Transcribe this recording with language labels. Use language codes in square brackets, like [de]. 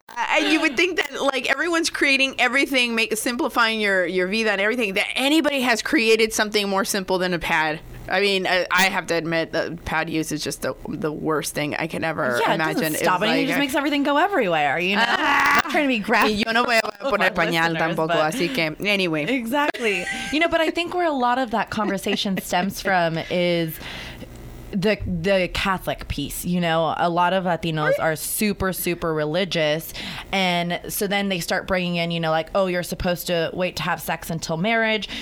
[en] And you would think that, like, everyone's creating everything, simplifying your vida and everything, that anybody has created something more simple than a pad. I mean, I have to admit that pad use is just the worst thing I can ever imagine. Yeah, it doesn't stop anything. It just makes everything go everywhere, you know? I'm not trying to be graphic. [es] Yo no voy a poner pañal tampoco, así que, anyway. [en] Exactly. You know, but I think where a lot of that conversation stems from is the Catholic piece. You know, a lot of Latinos are super, super religious. And so then they start bringing in, you know, like, oh, you're supposed to wait to have sex until marriage.